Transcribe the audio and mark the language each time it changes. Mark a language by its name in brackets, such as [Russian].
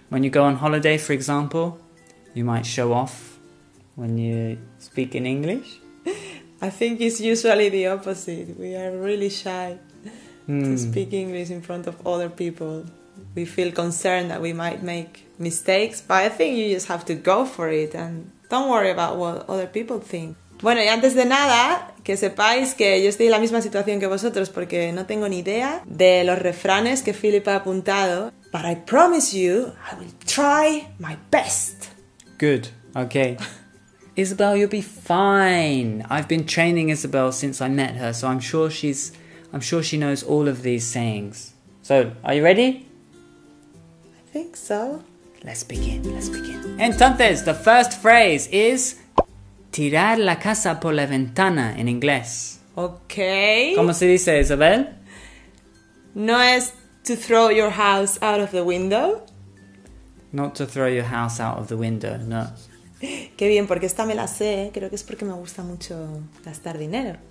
[English] When you go on holiday, for example, you might show off when you speak in English? I think it's usually the opposite. We are really shy to speak English in front of other people. We feel concerned that we might make mistakes, but I think you just have to go for it and don't worry about what other people think. [Spanish] Bueno, y antes de nada, que sepáis que yo estoy en la misma situación que vosotros porque no tengo ni idea de los refranes que Philip ha apuntado. [English] But I promise you, I will try my best. Good, okay. Isabel, you'll be fine. I've been training Isabel since I met her, so I'm sure she knows all of these sayings. So, are you ready? I think so. Let's begin. Entonces, the first phrase is... [Spanish] Tirar la casa por la ventana en inglés. [English] Ok. [Spanish] ¿Cómo se dice, Isabel? No es [English] to throw your house out of the window. Not to throw your house out of the window, no. [Spanish] Qué bien, porque esta me la sé. Creo que es porque me gusta mucho gastar dinero.